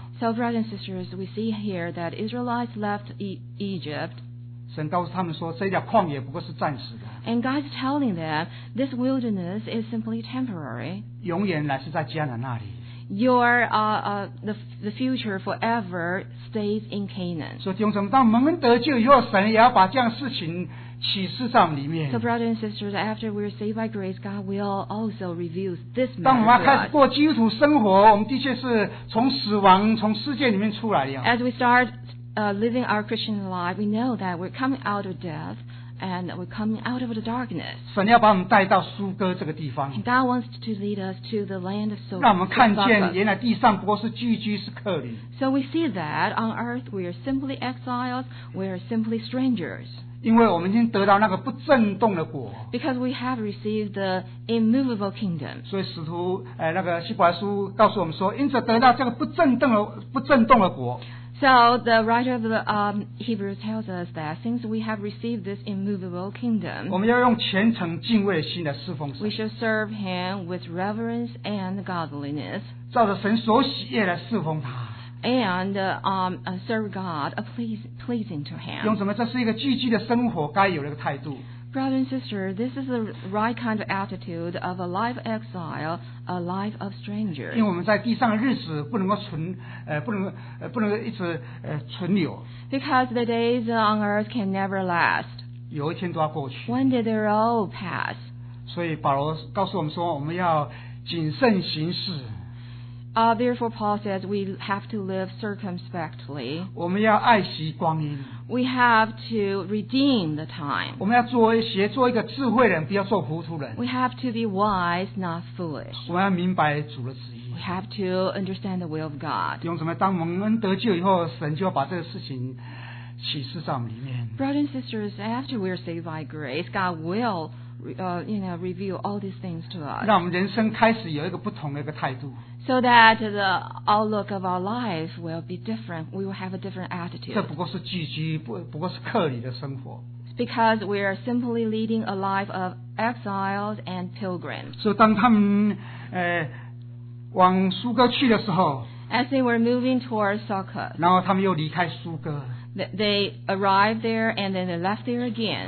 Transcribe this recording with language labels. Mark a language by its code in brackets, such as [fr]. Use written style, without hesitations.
[en] So brothers and sisters, we see here that Israelites left Egypt. [zh] 神告诉他们说，这条旷野不过是暂时的。 [en] And God's telling them this wilderness is simply temporary. [zh] 永远乃是在迦南那里。 [en] Your the future forever stays in Canaan. [zh] 所以弟兄姊妹，当蒙恩得救以后，神也要把这样的事情。 [en] So brothers and sisters, after we are saved by grace, God will also reveal this matter. [zh] 当我们开始过基督徒生活，我们的确是从死亡、从世界里面出来的。 [en] As we start living our Christian life, we know that we're coming out of death and we're coming out of the darkness. [zh] 神要把我们带到苏哥这个地方。 [en] God wants to lead us to the land of Sodom. [zh] 让我们看见，原来地上不过是寄居，是客旅。 [en] So we see that on earth we are simply exiles, we are simply strangers. [zh] 因为我们已经得到那个不震动的果 [en] Because we have received the immovable kingdom [zh] 所以使徒那个希伯来书告诉我们说因着得到这个不震动的果 [en] So the writer of the Hebrews tells us that since we have received this immovable kingdom [zh] 我们要用虔诚敬畏的心来侍奉神 [en] We should serve him with reverence and godliness [zh] 照着神所喜悦来侍奉他 [en] And serve God, pleasing to Him. [zh] 用什么？这是一个寄居的生活该有的态度。 [en] Brother and sister, this is the right kind of attitude of a life of exile, a life of stranger. [zh] 因为我们在地上的日子不能够存，不能一直存留。 [en] Because the days on earth can never last. [zh] 有一天都要过去。 [en] When did they all pass? [zh] 所以保罗告诉我们说，我们要谨慎行事。 [en] Therefore, Paul says we have to live circumspectly. [zh] 我们要爱惜光阴。 [en] We have to redeem the time. [zh] 我们要做一个智慧人，不要做糊涂人。 [en] We have to be wise, not foolish. [zh] 我们要明白主的旨意。 [en] We have to understand the will of God. [zh] 用什么？当蒙恩得救以后，神就要把这个事情启示在我们里面。 [en] Brothers and sisters, after we are saved by grace, God will. Reveal all these things to us. [zh] 让我们人生开始有一个不同的一个态度。 [en] So that the outlook of our life will be different. We will have a different attitude. [zh] 这不过是寄居，不过是客旅的生活。 [en] Because we are simply leading a life of exiles and pilgrims. [zh] 所以当他们往苏哥去的时候 [en] ，as they were moving towards Succoth， [zh] 然后他们又离开苏哥。 [en] They arrived there and then they left there again.